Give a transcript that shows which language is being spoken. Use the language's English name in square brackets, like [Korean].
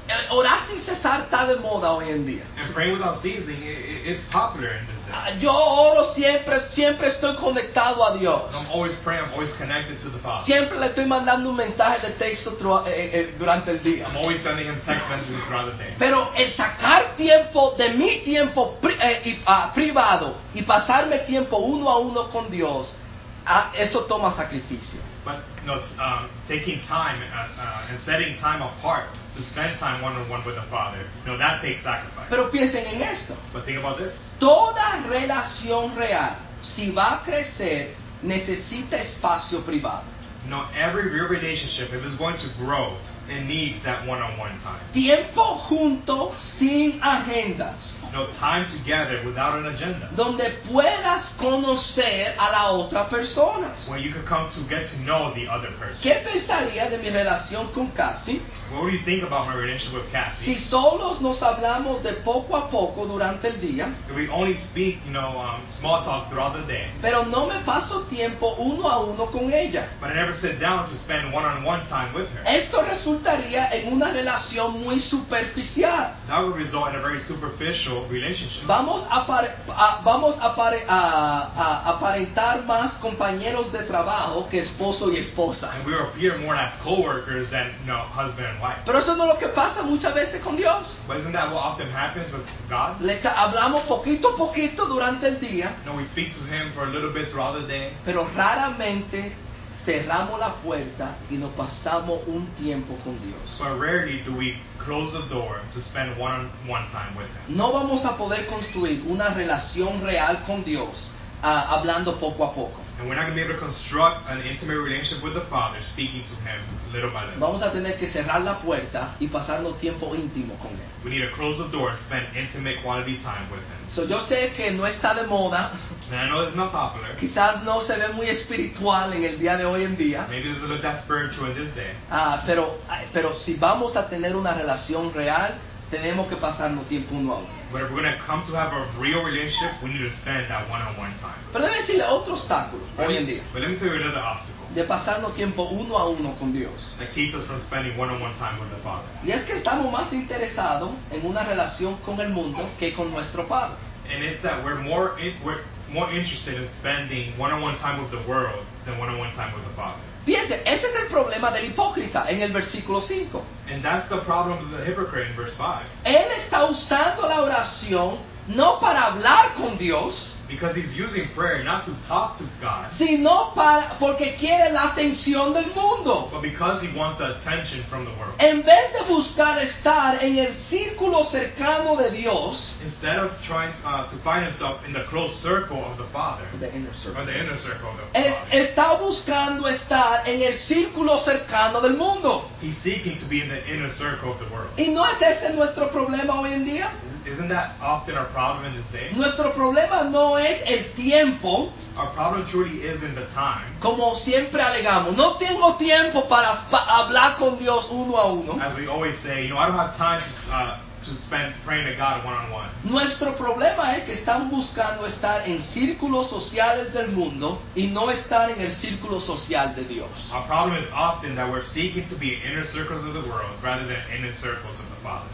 [Spanish] Orar sin cesar está de moda hoy en día. [English] And praying without ceasing, it's popular in this day. [Spanish] Yo oro siempre, siempre estoy conectado a Dios. [English] I'm always praying, I'm always connected to the Father. [Spanish] Siempre le estoy mandando un mensaje de texto durante el día. [English] I'm always sending Him text messages throughout the day. [Spanish] Pero el sacar tiempo de mi tiempo privado y pasarme tiempo uno a uno con Dios, eso toma sacrificio. [English] Taking time and setting time apart to spend time one-on-one with the Father, you know, that takes sacrifice. [Spanish] Pero piensen en esto. [English] But think about this. [Spanish] Toda relación real, si va a crecer, necesita espacio privado. [English] No, every real relationship, if it's going to grow, it needs that one-on-one time. [Spanish] Tiempo junto sin agendas. [English] know, time together without an agenda. [Spanish] Donde puedas conocer a la otra persona. [English] Where you could come to get to know the other person. [Spanish] ¿Qué pensaría de mi relación con Cassie? [English] What would you think about my relationship with Cassie? [Spanish] Si solos nos hablamos de poco a poco durante el día. [English] If we only speak, you know, small talk throughout the day. [Spanish] Pero no me paso tiempo uno a uno con ella. [English] But I never sit down to spend one-on-one time with her. [Spanish] Esto resultaría en una relación muy superficial. [English] That would result in a very superficial relationship. [Spanish] Vamos a aparentar más compañeros de trabajo que esposo y esposa. [English] And we appear more as co-workers than, you know, husband and wife. [Spanish] Pero eso no es lo que pasa muchas veces con Dios. [English] But isn't that what often happens with God? [Spanish] Hablamos poquito a poquito durante el día. [English] No, we speak to him for a little bit throughout the day. [Spanish] Pero raramente cerramos la puerta y nos pasamos un tiempo con Dios. [English] But rarely do we close the door to spend one-on-one time with him. [Spanish] No vamos a poder construir una relación real con Dios hablando poco a poco. [English] And we're not going to be able to construct an intimate relationship with the Father, speaking to him little by little. [Spanish] Vamos a tener que cerrar la puerta y pasarnos tiempo íntimo con él. [English] We need to close the door and spend intimate quality time with him. [Spanish] So yo sé que no está de moda. [English] And I know it's not popular. [Spanish] Quizás no se ve muy espiritual en el día de hoy en día. [English] Maybe it's a little that spiritual in this day. [Spanish] Pero si vamos a tener una relación real, tenemos que pasarnos tiempo uno a uno. [English] But if we're going to come to have a real relationship, we need to spend that one-on-one time. [Spanish] Pero déjame decirle otro obstáculo hoy en día. [English] But let me tell you another obstacle. [Spanish] De pasarnos tiempo uno a uno con Dios. [English] That keeps us from spending one-on-one time with the Father. [Spanish] Y es que estamos más interesados en una relación con el mundo que con nuestro Padre. [English] And it's that we're more interested in spending one-on-one time with the world than one-on-one time with the Father. [Spanish] Fíjense, ese es el problema del hipócrita en el versículo 5. [English] And that's the problem of the hypocrite in verse 5. [Spanish] Él está usando la oración no para hablar con Dios. [English] Because he's using prayer not to talk to God. [Spanish] Sino para, porque quiere la atención del mundo. [English] But because he wants the attention from the world. [Spanish] En vez de buscar estar en el círculo cercano de Dios. [English] Instead of trying to find himself in the close circle of the Father. The inner circle. Or the inner circle of the Father. [Spanish] Está buscando estar en el círculo cercano del mundo. [English] He's seeking to be in the inner circle of the world. [Spanish] ¿Y no es este nuestro problema hoy en día? [English] Isn't that often our problem in this day? [Spanish] Nuestro problema no es el tiempo. [English] Our problem truly isn't the time. [Spanish] Como siempre alegamos, no tengo tiempo para hablar con Dios uno a uno. [English] As we always say, you know, I don't have time to spend praying to God one-on-one. [Spanish] Nuestro problema es que estamos buscando estar en círculos sociales del mundo y no estar en el círculo social de Dios. [English] Our problem is often that we're seeking to be in inner circles of the world rather than in inner circles of the Father.